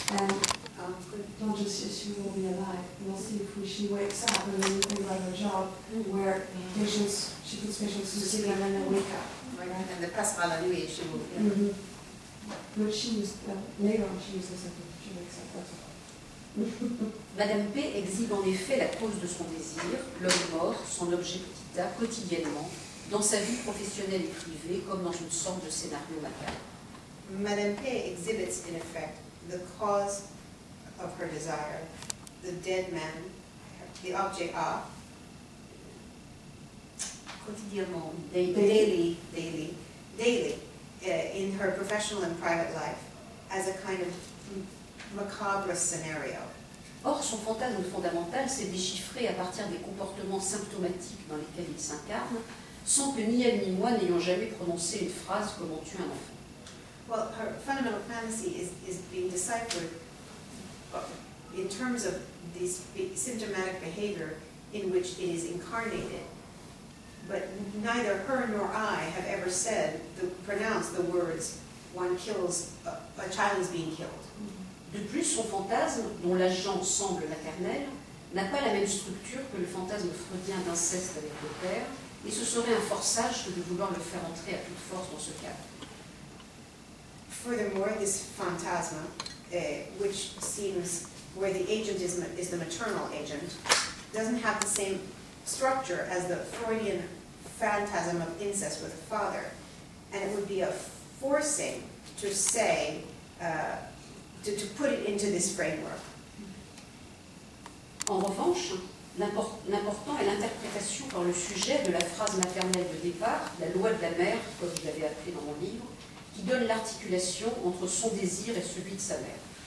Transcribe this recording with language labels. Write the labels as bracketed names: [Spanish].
[English] And don't just assume we'll be alive. We'll see if she wakes up, and then you think about her job where patients, she puts patients to sleep and then they wake up. Right. And they pass by [French] la nuit, [English] she will. Yeah. Mm-hmm. But she used, later on, she used the sentence, she wakes up, that's all. [French] Madame P exhibe en effet la cause de son désir, l'homme mort, son objet petit a, quotidiennement, dans sa vie professionnelle et privée, comme dans une sorte de scénario macabre. [English] Madame P exhibits, in effect, the cause of her desire, the dead man, the objet a, [French] quotidiennement, daily, [English] in her professional and private life, as a kind of macabre scenario. [French] Or, son fantasme fondamental s'est déchiffré à partir des comportements symptomatiques dans lesquels il s'incarne, sans que ni elle ni moi n'ayons jamais prononcé une phrase comme on tue un enfant. [English] Well, her fundamental fantasy is being deciphered in terms of this symptomatic behavior in which it is incarnated. But neither her nor I have ever said, pronounced the words, one kills, a child is being killed. [French] De plus, son fantasme, dont l'agent semble maternel, n'a pas la même structure que le fantasme freudien d'inceste avec le père, et ce serait un forçage que de vouloir le faire entrer à toute force dans ce cadre. [English] Furthermore, this fantasma, which seems where the agent is the maternal agent, doesn't have the same structure as the Freudian phantasm of incest with a father, and it would be a forcing to say, to put it into this framework. [French] En revanche, l'important est l'interprétation par le sujet de la phrase maternelle de départ, la loi de la mère, comme vous l'avez appris dans mon livre, qui donne l'articulation entre son désir et celui de sa mère.